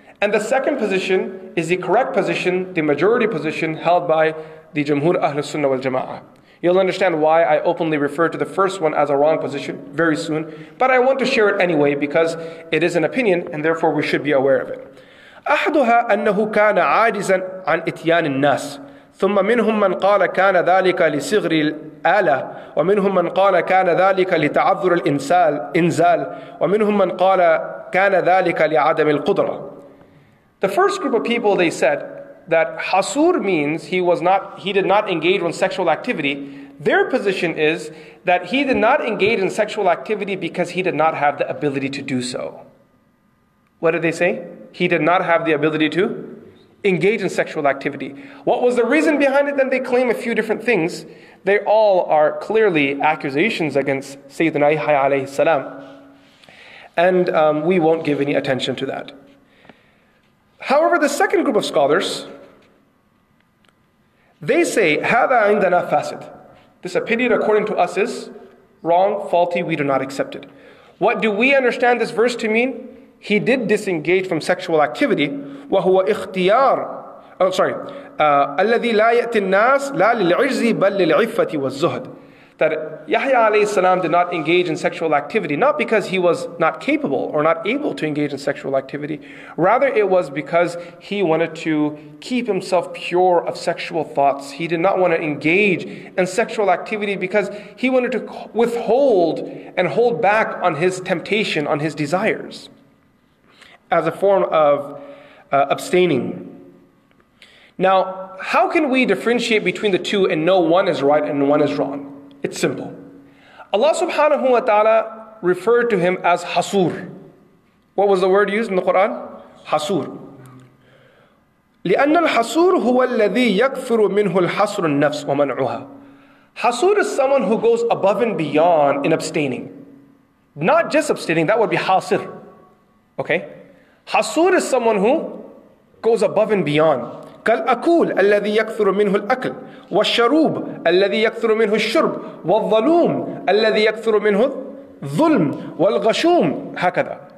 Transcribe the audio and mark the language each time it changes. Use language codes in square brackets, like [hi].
[en] And the second position is the correct position, the majority position, held by the Jamhur Ahlus Sunnah wal Jama'ah. You'll understand why I openly refer to the first one as a wrong position very soon, but I want to share it anyway because it is an opinion and therefore we should be aware of it. [ar] أحدها أنه كان عاجزا عن إتيان الناس ثم منهم من قال كان ذلك لصغر الآلة ومنهم من قال كان ذلك لتعذر الإنزال ومنهم من قال كان ذلك لعدم القدرة. [en] The first group of people, they said that hasur means he did not engage in sexual activity. Their position is that he did not engage in sexual activity because he did not have the ability to do so. What did they say? He did not have the ability to engage in sexual activity. What was the reason behind it? Then they claim a few different things. They all are clearly accusations against Sayyidina Yahya alayhi salam. And we won't give any attention to that. However, the second group of scholars, they say, [ar] هذا عندنا فاسد. [en] This opinion according to us is wrong, faulty, we do not accept it. What do we understand this verse to mean? He did disengage from sexual activity. [ar] وهو اختيار الذي لا يأتي الناس لا للعجز بل للعفة والزهد. [en] That Yahya alayhi salam did not engage in sexual activity, not because he was not capable or not able to engage in sexual activity. Rather, it was because he wanted to keep himself pure of sexual thoughts. He did not want to engage in sexual activity because he wanted to withhold and hold back on his temptation, on his desires, as a form of abstaining. Now, how can we differentiate between the two and know one is right and one is wrong? It's simple. Allah subhanahu wa ta'ala referred to him as Hasur. What was the word used in the Quran? Hasur. [ar] لأن الحسور هو الذي يكثر منه الحسر النفس ومنعها. [en] Hasur is someone who goes above and beyond in abstaining. Not just abstaining, that would be Hasir. Okay? Hasur is someone who goes above and beyond. [ar] كالأكول الذي يكثر منه الأكل والشروب الذي يكثر منه الشرب والظلوم الذي يكثر منه الظلم والغشوم هكذا.